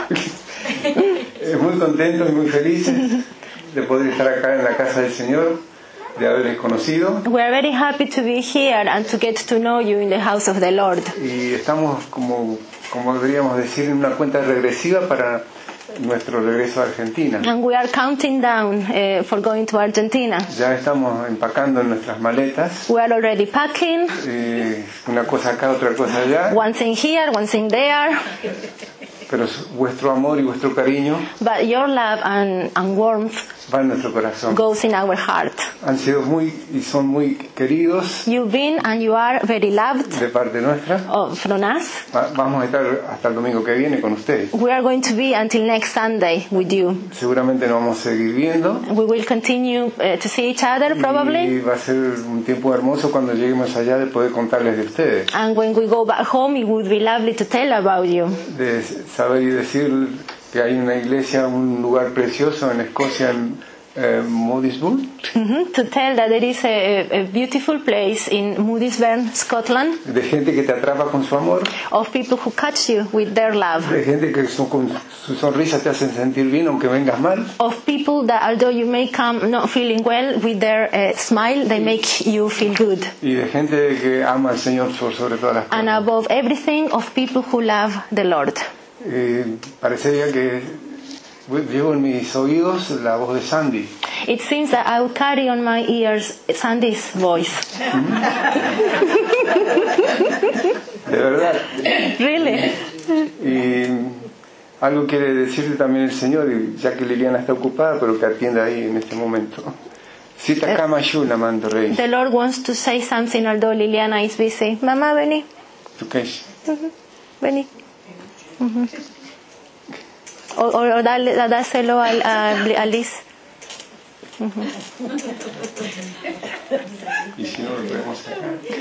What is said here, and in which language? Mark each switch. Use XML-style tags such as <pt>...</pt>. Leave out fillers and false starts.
<es>Muy contento y muy feliz de poder estar acá en la casa del Señor, de haberles conocido.</es> <en>We are very happy to be here and to get to know you in the house of the Lord.</en> <es>Y estamos como deberíamos decir en una cuenta regresiva para nuestro regreso a Argentina.</es> <en>And we are counting down for going to Argentina.</en> <es>Ya estamos empacando nuestras maletas.</es> <en>We are already packing.</en> <es>Una cosa acá, otra cosa allá.</es> <en>One thing here, one thing there.</en> <es>Pero vuestro amor y vuestro cariño.</es> <en>But your love and warmth.</en> <es>Va en nuestro corazón.</es> <en>Goes in our heart.</en> <es>Han sido muy y son muy queridos.</es> <en>You've been and you are very loved.</en> <es>De parte nuestra.</es> <en>Oh, from us.</en> <es>Vamos a estar hasta el domingo que viene con ustedes.</es> <en>We are going to be until next Sunday with you.</en> <es>Seguramente nos vamos a seguir viendo.</es> <en>We will continue to see each other probably.</en> <es>Y va a ser un tiempo hermoso cuando lleguemos allá de poder contarles de ustedes.</es> <en>And when we go back home, it would be lovely to tell about you.</en> <es>De saber y decir que hay una iglesia, un lugar precioso en Escocia, en Moodysburn. Mm-hmm.</es> <en>To tell that there is a beautiful place in Moodysburn, Scotland.</en> <es>De gente que te atrapa con su amor.</es> <en>Of people who catch you with their love.</en> <es>De gente que con su sonrisa te hacen sentir bien aunque vengas mal.</es> <en>Of people that although you may come not feeling well, with their smile they make you feel good.</en> <es>Y de gente que ama al Señor sobre todas las cosas.</es> <en>And above everything, of people who love the Lord.</en> <es>Parecería que llevo en mis oídos la voz de Sandy.</es> <en>It seems that I will carry on my ears Sandy's voice.</en> <es>De verdad.</es> <en>Really.</en> <es>Y algo quiere decirle también el Señor, ya que Liliana está ocupada, pero que atienda ahí en este momento. Cita Kamashuna mando rey.</es> <en>The Lord wants to say something although Liliana is busy.</en> <es>Mamá, vení.</es> <en>Okay. Mm-hmm.</en> <es>Vení. Mm-hmm.</es> <en>Or</en> <es>dáselo a Liz. Mm-hmm.</es>